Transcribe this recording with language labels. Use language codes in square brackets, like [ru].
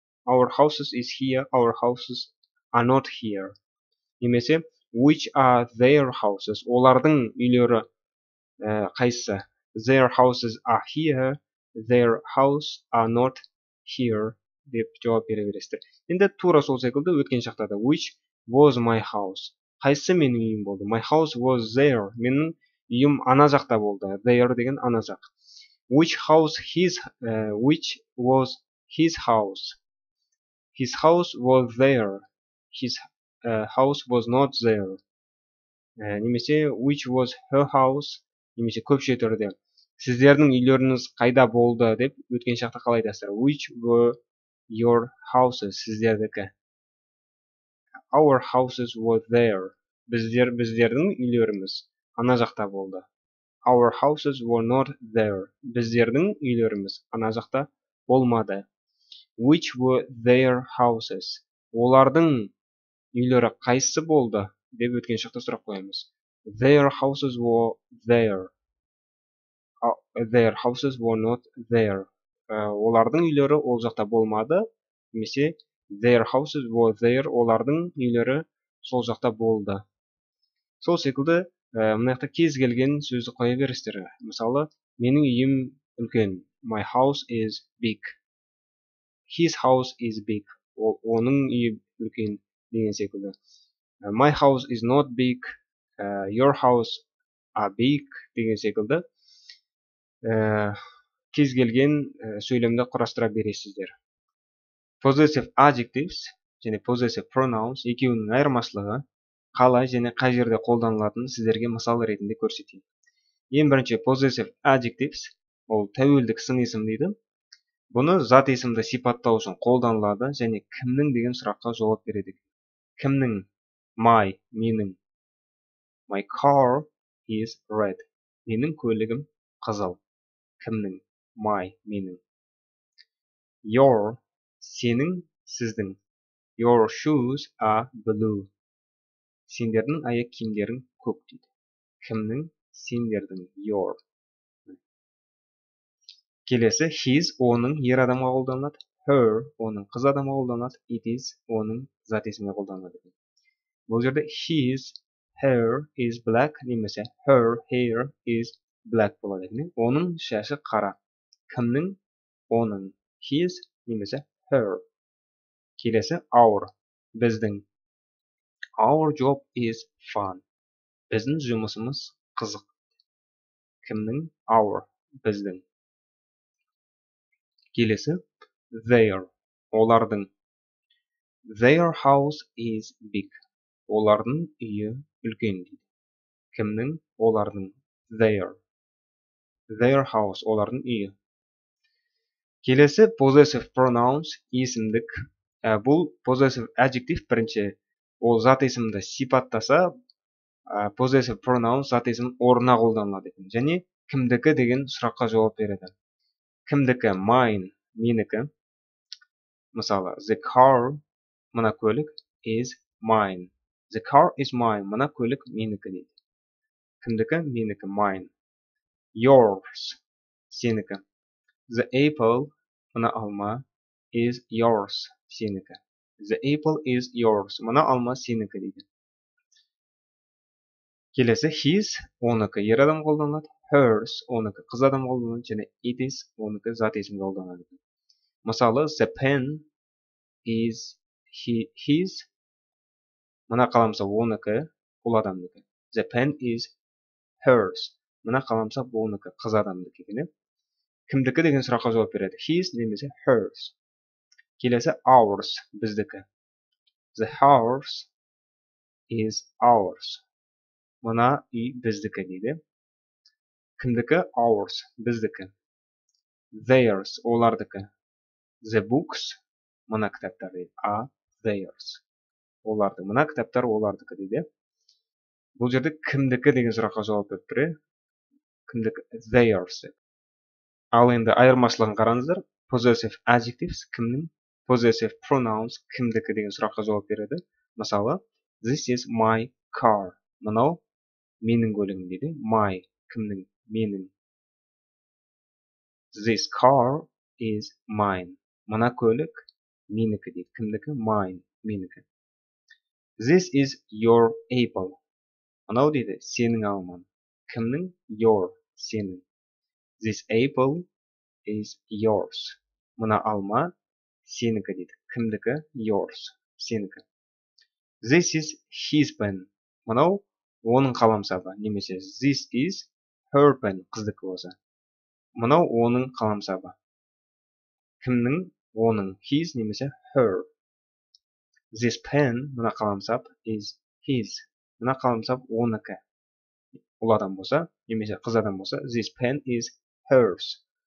[en] Our houses is here, our houses are not here. [kk] Немесе, [en] which are their houses? [kk] Олардың үйлері қайсы? [en] Their houses are here, their house are not here. [kk] Деп жауап бере бересіздер. Енді тура сол секілді өткен шақта да. [en] Which was my house? [kk] Қайсы менің үйім болды? [en] My house was there. [kk] Менің үйім ана жақта болды. There деген ана жақ. [en] Which house his, which was his house? His house was there. His house was not there. [kk] Немесе, [en] which was her house? [kk] Немесе, көпше түрде. Сіздердің үйлеріңіз қайда болды деп өткен шақта қалай айтасыздар? [en] Which were your houses? [kk] Сіздердікі. [en] Our houses were there. [kk] Біздердің үйлеріміз ана жақта болды. [en] Our houses were not there. [kk] Біздердің үйлеріміз ана жақта болмады. [en] Which were their houses? [kk] Олардың үйлері қайсы болды? Деп өткен шақта сұрақ қоямыз. [en] Their houses were there. Their houses were not there. [kk] Олардың үйлері ол жақта болмады. Немесе, [en] their houses were there. [kk] Олардың үйлері сол жақта болды. Сол секілді, мына жақта кез келген сөзді қоя бересіздер. Мысалы, менің үйім үлкен. [en] My house is big. His house is big. [kk] Оның үйі үлкен деген секілді. [en] My house is not big. Your house are big [kk] деген секілді. Кез келген сөйлемді құрастыра бересіздер. Possessive adjectives және possessive pronouns екеуінің айырмашылығы қалай және қай жерде қолданылатын сіздерге мысал ретінде көрсетейін. Ең бірінші possessive adjectives ол тәуелдік сын есім дейді. Бұны зат есімді сипаттау үшін қолданылады және кімнің деген сұраққа жауап береді. Кімнің? [en] My, [kk] менің. [en] My car is red. [kk] Менің көлігім қызыл. Кімнің? My, менің. Your, сенің, сіздің. [en] Your shoes are blue. [kk] Сендердің аяқ киімдерің көк дейді. Кімнің? Сендердің. Your. Келесі, his, оның ер адамға қолданылады, her, оның қыз адамға қолданылады, it is, оның зат есіміне қолданылады. Бұл жерде, [en] his hair is black, [kk] немесе, [en] her hair is black [kk] болады. Оның шашы қара. Кімнің? Оның. [en] His, [kk] немесе, [en] her. [kk] Келесі, our, біздің. [en] Our job is fun. [kk] Біздің жұмысымыз қызық. кімнің? Our, біздің. Келесі, their, олардың. [en] Their house is big, [kk] олардың үйі үлкен. Кімнің? Олардың. [en] Their, their house, [kk] олардың үйі. Келесі, possessive pronouns, есімдік. Бұл possessive adjective бірінші ол зат есімді сипаттаса, possessive pronouns зат есімін орнына қолданылады. Және кімдікі деген сұраққа жауап береді. Кімдікі? Mine, менікі. Мысалы, [en] the car, [kk] мына көлік, [en] is mine. The car is mine, [kk] мына көлік менікі дейді. Кімдікі? Менікі, mine. Yours, сенікі. [en] The apple, [kk] мына алма, [en] is yours, [kk] сенікі. [en] The apple is yours, [kk] мына алма сенікі дейді. Келесі, his, онікі, ер адам қолданылады. Hers, онікі, қыз адам қолданылады. Және it is, онікі, зат есімге қолданылады. Мысалы, [en] the pen is his, [kk] мына қаламса онікі, ол адамдікі. [en] The pen is hers, [kk] мына қаламса онікі, қыз адамдікі. Кімдікі деген сұраққа жауап береді. [en] His [kk] немесе [en] hers. [kk] Келесі, ours, біздікі. [en] The house is ours, [kk] мына үй біздікі дейді. Кімдікі? Ours, біздікі. Theirs, олардікі. [en] The books, [kk] мына кітаптар дейді. [en] Are theirs, [kk] оларды. Мына кітаптар олардікі дейді. Бұл жерде кімдікі деген сұраққа жауап беріп тұр. Кімдікі? Theirs. Ал енді айырмашылығын қараңыздар. Possessive adjectives кімнің? Possessive pronouns кімдікі деген сұраққа жауап береді. Мысалы, [en] this is my car, [kk] мынау менің көлігім дейді. My, кімнің? Менің. [en] This car is mine, [kk] мына көлік менікі дейді. Кімдікі? Mine, менікі. [en] This is your apple, [kk] мынау дейді сенің алман. Кімнің? Your, сенің. [en] This apple is yours, [kk] мына алма сенікі дейді. Кімдікі? Yours, сенікі. [en] This is his pen, [kk] мынау оның қаламсабы. Немесе, [en] this is her pen, [kk] қыздікі болса. Мынау оның қаламсабы. Кімнің? Оның. [en] His [kk] немесе [en] her. This pen, [kk] мына қаламсап, [en] is his. [kk] Мына қаламсап онікі. Ол адам болса, немесе қыз адам болса, [en] this pen is hers.